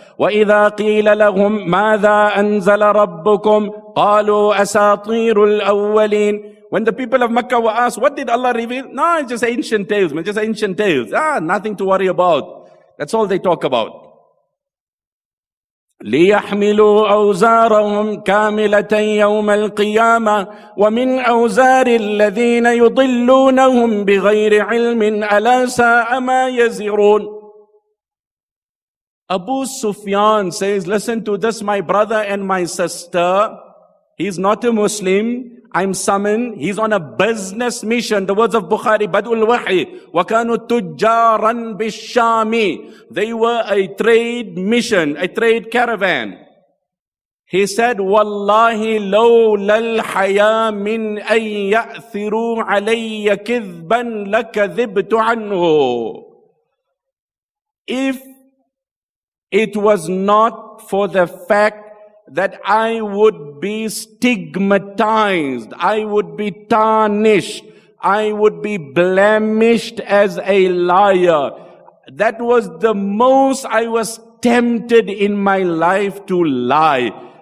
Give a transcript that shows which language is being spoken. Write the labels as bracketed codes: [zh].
[ar] وَإِذَا قِيلَ لَهُمْ مَاذَا أَنزَلَ رَبُّكُمْ قَالُوا أَسَاطِيرُ الْأَوَّلِينَ. [en] When the people of Mecca were asked, what did Allah reveal? No, it's just ancient tales, man. Just ancient tales. Nothing to worry about. That's all they talk about. [ar] ليحملوا أوزارهم كاملة يوم القيامة ومن أوزار الذين يضلونهم بغير علم ألا ساء ما يزرون. [en] Abu Sufyan says, listen to this, my brother and my sister. He's not a Muslim. I'm summoned. He's on a business mission. The words of Bukhari, Bad'ul Wahi, [ar] وَكَانُوا تُجَّارًا بِالشَّامِ. [en] They were a trade mission, a trade caravan. He said, [ar] وَاللَّهِ لَوْلَا الْحَيَا مِنْ أَنْ يَأْثِرُوا عَلَيَّ كِذْبًا لَكَذِبْتُ عَنْهُ. [en] If it was not for the fact that I would be stigmatized, I would be tarnished, I would be blemished as a liar, that was the most I was tempted in my life to lie.